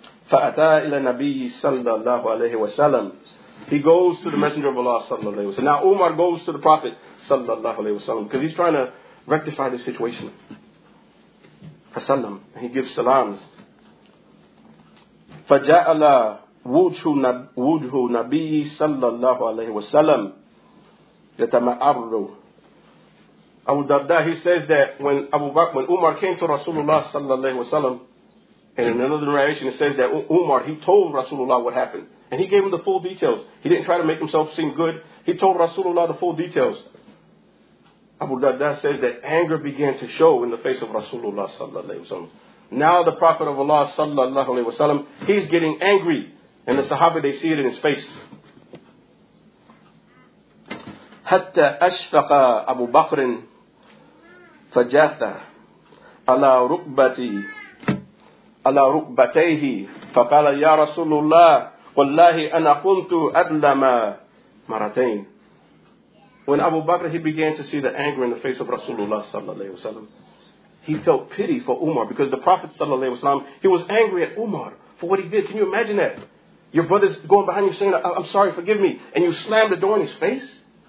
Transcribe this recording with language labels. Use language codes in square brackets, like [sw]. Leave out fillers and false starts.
[ar] فَأَتَى إِلَى النَّبِيِّ صَلَّى اللَّهُ عَلَيْهِ وَسَلَّمْ. [en] He goes to the Messenger of Allah sallallahu alayhi wa sallam. Now Umar goes to the Prophet sallallahu alayhi wa sallam because he's trying to rectify the situation. Fasallam. And he gives salams. [ar] فجعل وجه نبي صلى الله عليه وسلم يتمعر. [en] Abu Darda, he says that when Umar came to Rasulullah sallallahu alayhi wa sallam, and in another narration it says that Umar, he told Rasulullah what happened. And he gave him the full details. He didn't try to make himself seem good. He told Rasulullah the full details. Abu Darda says that anger began to show in the face of Rasulullah sallallahu alayhi wa sallam. Now the Prophet of Allah sallallahu alayhi wa sallam, he's getting angry. And the Sahaba, they see it in his face. [ar] حتى أشفق أبو بكر فجاءت على ركبتي على ركبتيه فقال يا رسول الله والله أنا كنت أدلما مرتين. [en] When Abu Bakr, he began to see the anger in the face of Rasulullah sallallahu alaihi wasallam, he felt pity for Umar, because the Prophet sallallahu alaihi wasallam, he was angry at Umar for what he did. Can you imagine that? Your brother's going behind you saying, "I'm sorry, forgive me," and you slammed the door in his face.